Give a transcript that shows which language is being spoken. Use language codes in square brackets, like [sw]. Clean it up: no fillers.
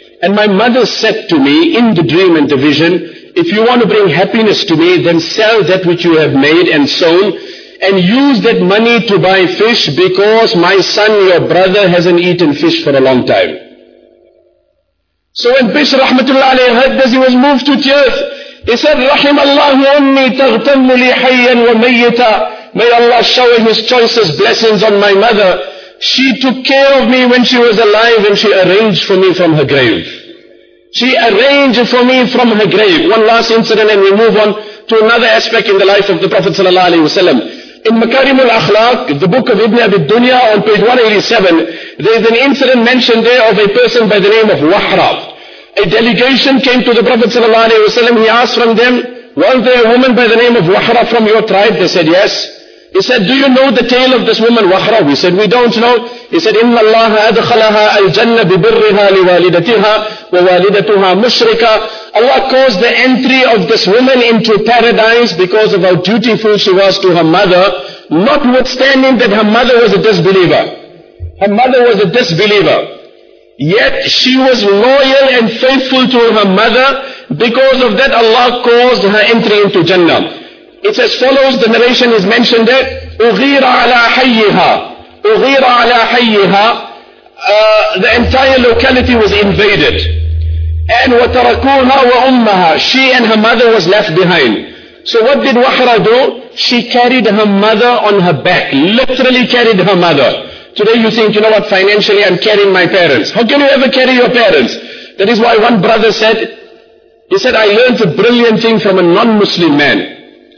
[en] And my mother said to me in the dream and the vision, if you want to bring happiness to me, then sell that which you have made and sown and use that money to buy fish because my son, your brother, hasn't eaten fish for a long time. So when Bishr rahmatullah alayhi heard this, he was moved to tears. He said, [ar] رحم الله أمي تغتم لي حيا وميتا. [en] May Allah shower His choicest blessings on my mother. She took care of me when she was alive and she arranged for me from her grave. She arranged for me from her grave. One last incident and we move on to another aspect in the life of the Prophet sallallahu alaihi wasallam. In Makarim al-Akhlaq, the book of Ibn Abi Dunya on page 187, there is an incident mentioned there of a person by the name of Wahra. A delegation came to the Prophet sallallahu alaihi wasallam. He asked from them, was there a woman by the name of Wahra from your tribe? They said, yes. He said, do you know the tale of this woman, Wahra? We said, we don't know. He said, [ar] إِنَّ اللَّهَ أَدْخَلَهَا الْجَنَّ بِبِرِّهَا لِوَالِدَتِهَا وَوَالِدَتُهَا مُشْرِكَ. [en] Allah caused the entry of this woman into paradise because of how dutiful she was to her mother, notwithstanding that her mother was a disbeliever. Her mother was a disbeliever. Yet she was loyal and faithful to her mother. Because of that, Allah caused her entry into Jannah. It's as follows, the narration is mentioned that [ar] أُغِيرَ عَلَىٰ حَيِّهَا أُغِيرَ عَلَىٰ حَيِّهَا. [en] The entire locality was invaded. And [ar] وَتَرَكُوْنَا وَأُمَّهَا. [en] She and her mother was left behind. So what did Wahra do? She carried her mother on her back. Literally carried her mother. Today you think, you know what, financially I'm carrying my parents. How can you ever carry your parents? That is why one brother said, he said, I learned a brilliant thing from a non-Muslim man.